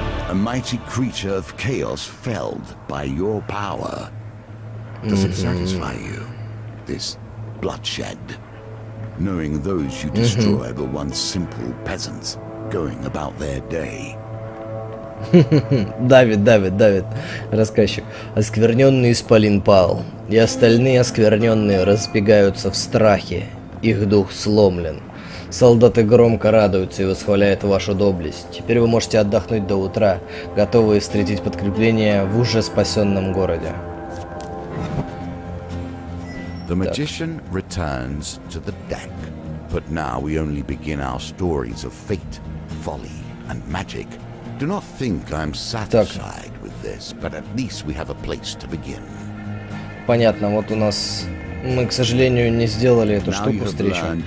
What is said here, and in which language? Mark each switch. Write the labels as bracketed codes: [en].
[en] A mighty creature of chaos felled by your power. Does it satisfy you, this bloodshed? Knowing those you destroy were once simple peasants going about their day. [ru] Давид, рассказчик. Оскверненный исполин пал, и остальные оскверненные разбегаются в страхе. Их дух сломлен. Солдаты громко радуются и восхваляют вашу доблесть. Теперь вы можете отдохнуть до утра, готовые встретить подкрепление в уже спасенном городе. [en] The magician returns to the deck, but now we only begin our stories of fate, folly, and magic. Do not think I'm satisfied with this, but at least we have a place to begin. [ru] Понятно, вот у нас. Мы, к сожалению, не сделали эту штуку встречу.